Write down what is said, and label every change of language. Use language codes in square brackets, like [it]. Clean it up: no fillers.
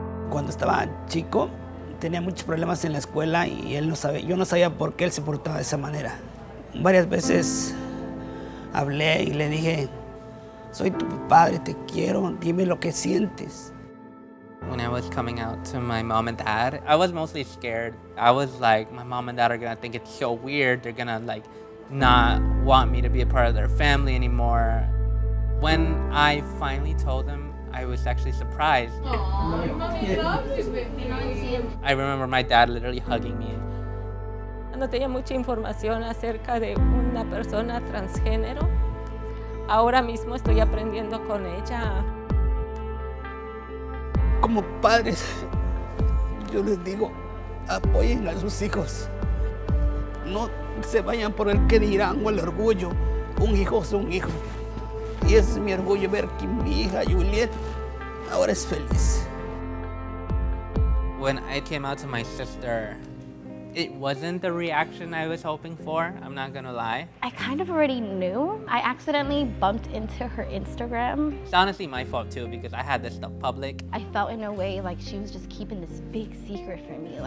[es] Cuando estaba chico, tenía muchos problemas en la escuela y él no sabía, yo no sabía por qué él se portaba de esa manera. Varias veces hablé y le dije, soy tu padre, te quiero, dime lo que sientes. [en] When I was coming out to my mom and dad, I was mostly scared. I was like, my mom and dad are gonna think it's so weird. They're gonna like not want me to be a part of their family anymore. When I finally told them, I was actually surprised. Aww, your mommy loves you, baby. I remember my dad literally hugging me. [es] No tenía mucha información acerca de una persona transgénero. Ahora mismo estoy aprendiendo con ella. Como padres, yo les digo, apoyen a sus hijos. No se vayan por el que dirán o el orgullo. Un hijo es un hijo. Y es mi orgullo ver que mi hija Juliet ahora es feliz. [en] When I came out to my sister, it wasn't the reaction I was hoping for, I'm not gonna lie. I kind of already knew. I accidentally bumped into her Instagram. It's honestly my fault too, because I had this stuff public. I felt in a way like she was just keeping this big secret from me.